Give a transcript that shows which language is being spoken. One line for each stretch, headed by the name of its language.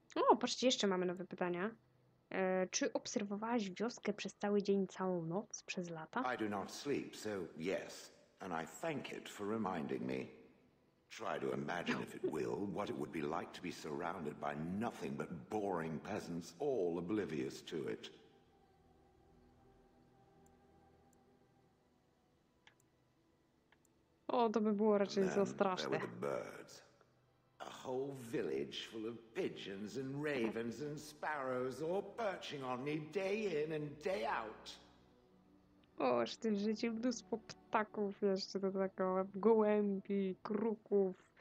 Polish: O, patrzcie, jeszcze mamy nowe pytania. Czy obserwowałaś wioskę przez cały dzień, całą noc, przez lata?
English: I do not sleep, so yes. And I thank it for reminding me. Try to imagine, if it will, what it would be like to be surrounded by nothing but boring peasants, all oblivious to it.
Polish: O, to by było raczej za straszne.
English: There were the birds. A whole village full of pigeons and ravens and sparrows all perching on me day in and day out.
Polish: O, aż ty w życiu, mnóstwo ptaków jeszcze do tego, gołębi, kruków.